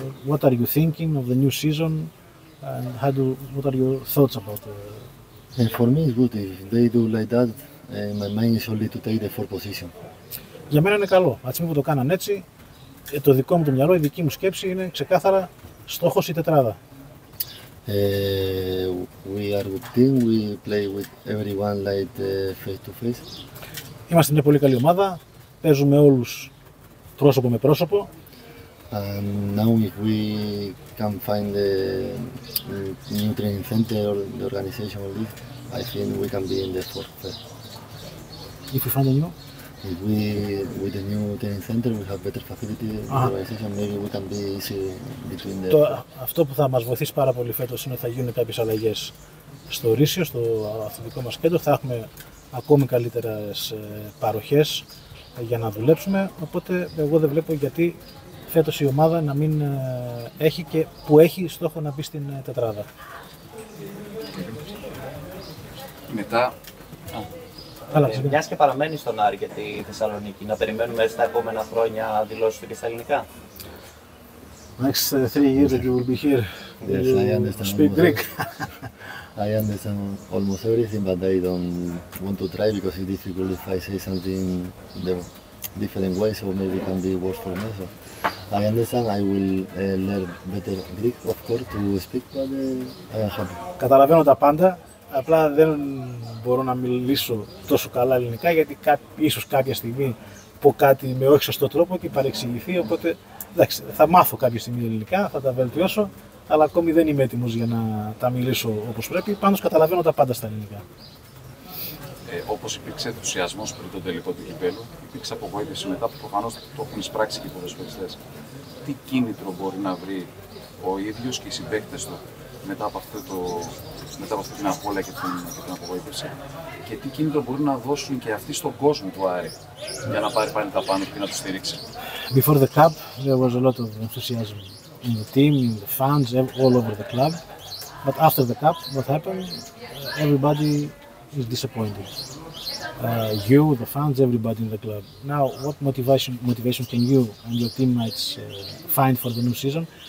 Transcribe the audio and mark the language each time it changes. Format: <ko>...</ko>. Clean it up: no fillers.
<en>What are you thinking of the new season, and what are your thoughts about it? And for me, it's good if they do like that. My mind is only to take the fourth position.</en> <el>Για μένα είναι καλό. Ας μην το κάνουν έτσι. Το δικό μου το μυαλό, η δική μου σκέψη είναι ξεκάθαρα στόχος η τετράδα.</el> <en>We are a good team. We play with everyone like face to face.</en> <el>Είμαστε μια πολύ καλή ομάδα. Παίζουμε όλους πρόσωπο με πρόσωπο.</el> <en>And now if we can find the new training center or the organization or this, I think we can be in the fourth. If we find a new? If we with the new training center we have better facility organization, maybe we can be easy between the.</en> <el>Αυτό που θα μας βοηθήσει πάρα πολύ φέτος είναι ότι θα γίνουν κάποιες αλλαγές στο ρίσιο, στο αθλητικό μας κέντρο. Θα έχουμε ακόμη καλύτερες παροχές για να δουλέψουμε. Οπότε εγώ δεν βλέπω γιατί φέτος η ομάδα να μην έχει και που έχει στόχο να μπει στην τετράδα. Μετά. Μιας και παραμένει στον Άρη και τη Θεσσαλονίκη, να περιμένουμε στα επόμενα χρόνια δηλώσεις του και στα ελληνικά.</el> <en>Next three years that you will be here. Yes, I understand. Speak Greek. I understand almost everything, but I don't want to try because it's difficult if I say something in the different ways, or maybe it can be worse for me. So I understand. I will learn better Greek, of course, to speak. But I am happy.</en> <el>Καταλαβαίνω τα πάντα. Απλά δεν μπορώ να μιλήσω τόσο καλά ελληνικά, γιατί ίσως κάποια στιγμή πω κάτι με όχι σωστό τρόπο και παρεξηγηθεί. Οπότε εντάξει, θα μάθω κάποια στιγμή ελληνικά, θα τα βελτιώσω, αλλά ακόμη δεν είμαι έτοιμος για να τα μιλήσω όπως πρέπει. Πάντως καταλαβαίνω τα πάντα στα ελληνικά. Όπως υπήρξε ενθουσιασμός πριν τον τελικό του κυπέλλου, υπήρξε απογοήτευση μετά, που προφανώς το έχουν εισπράξει και οι ποδοσφαιριστές. Τι κίνητρο μπορεί να βρει ο ίδιος και οι συμπαίκτες του μετά από αυτό το. Μετά από αυτή την απώλεια και την απογοήτευση, και τι κίνητρο μπορούν να δώσουν και αυτοί στον κόσμο του Άρη για να πάρει πάνω τα πάνω και να τους στηρίξει.</el> <en>Before the cup, there was a lot of enthusiasm in the team, in the fans, all over the club. But after the cup, what happened? Everybody is disappointed. You, the fans, everybody in the club. Now, what motivation can you and your teammates find for the new season?</en>